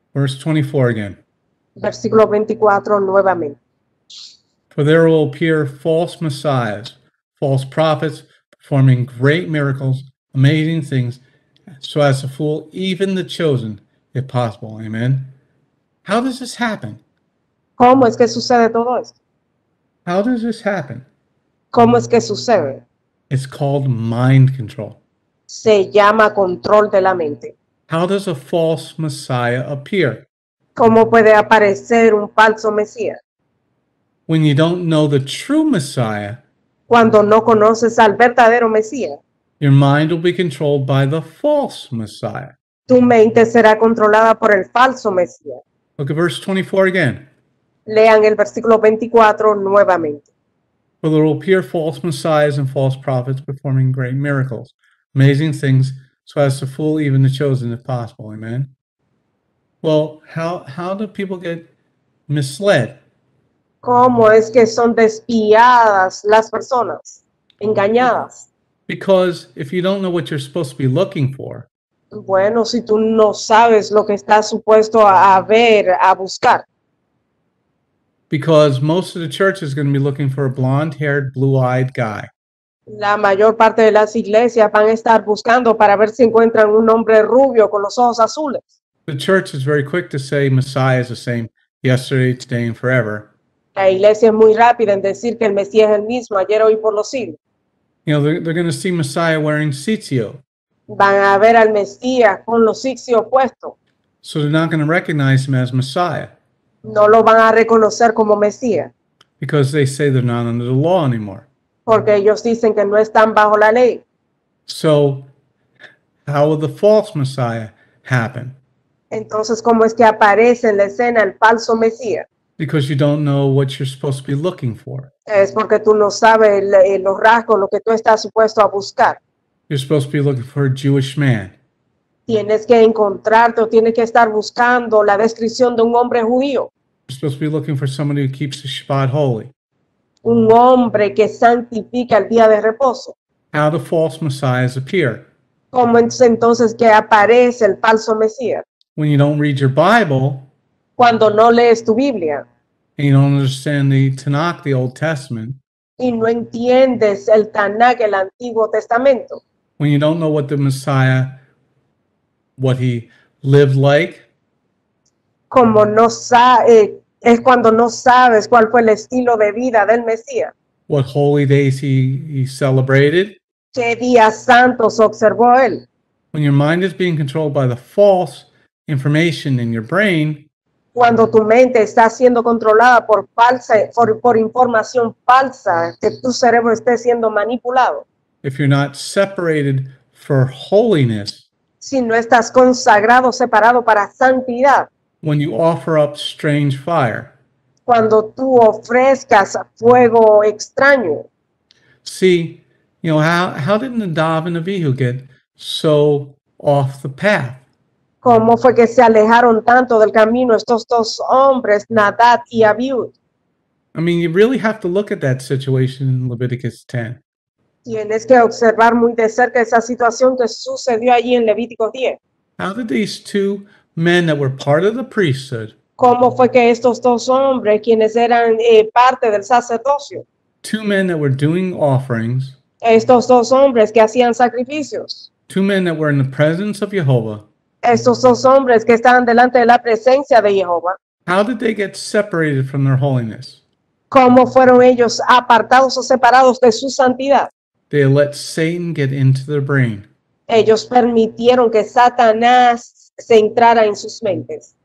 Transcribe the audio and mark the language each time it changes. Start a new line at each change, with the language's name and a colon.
English: Verse 24 again.
Spanish: Versículo 24 nuevamente.
English: For there will appear false messiahs, false prophets performing great miracles, amazing things, so as to fool even the chosen, if possible. Amen. How does this happen?
Spanish: ¿Cómo es que sucede todo esto?
English: How does this happen?
Spanish: ¿Cómo es que sucede?
English: It's called mind control.
Spanish: Se llama control de la mente.
English: How does a false Messiah appear?
Spanish: ¿Cómo puede aparecer un falso Mesías?
English: When you don't know the true Messiah,
Spanish: cuando no conoces al verdadero Mesías,
English: your mind will be controlled by the false Messiah.
Spanish: Tu mente será controlada por el falso Mesías.
English: Look at verse 24 again.
Spanish: Lean el versículo 24 nuevamente.
English: For there will appear false messiahs and false prophets performing great miracles, amazing things, so as to fool even the chosen if possible. Amen. Well, how do people get misled?
Spanish: ¿Cómo es que son despiadas las personas? Engañadas.
English: Because if you don't know what you're supposed to be looking for,
Spanish: bueno, si tú no sabes lo que estás supuesto a ver, a buscar.
English: Because most of the church is going to be looking for a blonde-haired, blue-eyed guy.
Spanish: La mayor parte de las iglesias van a estar buscando para ver si encuentran un hombre rubio con los ojos azules.
English: The church is very quick to say Messiah is the same yesterday, today, and forever.
Spanish: La iglesia es muy rápida en decir que el Mesías es el mismo ayer, hoy, por los siglos.
English: You know, they're going to see Messiah wearing tzitzio.
Spanish: Van a ver al Mesías con los tzitzio puestos.
English: So they're not going to recognize him as Messiah.
Spanish: No lo van a reconocer como Mesías.
English: Because they say they're not under the law anymore.
Spanish: Porque ellos dicen que no están bajo la ley.
English: So, how will the false Messiah happen?
Spanish: Entonces, ¿cómo es que aparece en la escena el falso Mesías?
English: Because you don't know what you're supposed to be looking for.
Spanish: Es porque tú no sabes los rasgos, lo que tú estás supuesto a buscar.
English: You're supposed to be looking for a Jewish man.
Spanish: Tienes que encontrarte o tienes que estar buscando la descripción de un hombre judío.
English: You're supposed to be looking for somebody who keeps the Shabbat holy.
Spanish: Un hombre que santifica el día de reposo.
English: How do false messiahs appear?
Spanish: ¿Cómo es entonces que aparece el falso Mesías?
English: When you don't read your Bible.
Spanish: Cuando no lees tu Biblia.
English: And you don't understand the Tanakh, the Old Testament.
Spanish: Y no entiendes el Tanakh, el Antiguo Testamento.
English: When you don't know what the Messiah, what he lived like.
Spanish: Como no es cuando no sabes cuál fue el estilo de vida del Mesías.
English: What holy days he celebrated.
Spanish: Qué días santos observó él.
English: When your mind is being controlled by the false information in your brain.
Spanish: Cuando tu mente está siendo controlada por falsa, por información falsa, que tu cerebro esté siendo manipulado.
English: If you're not separated for holiness,
Spanish: si no estás consagrado, separado para santidad,
English: when you offer up strange fire.
Spanish: Cuando tú ofrezcas fuego extraño.
English: See, you know, how did Nadab and Abihu get so off the path?
Spanish: ¿Cómo fue que se alejaron tanto del camino estos dos hombres, Nadab y Abihu?
English: I mean, you really have to look at that situation in Leviticus 10.
Spanish: Tienes que observar muy de cerca esa situación que sucedió allí en Levítico 10.
English: How did these two men that were part of the priesthood?
Spanish: ¿Cómo fue que estos dos hombres, quienes eran parte del sacerdocio?
English: Two men that were doing offerings.
Spanish: Estos dos hombres que hacían sacrificios.
English: Two men that were in the presence of Jehovah.
Spanish: Estos dos hombres que estaban delante de la presencia de Jehová.
English: How did they get separated from their holiness?
Spanish: ¿Cómo fueron ellos apartados o separados de su santidad?
English: They let Satan get into their brain.
Spanish: Ellos permitieron que Satanás se entrara en sus mentes.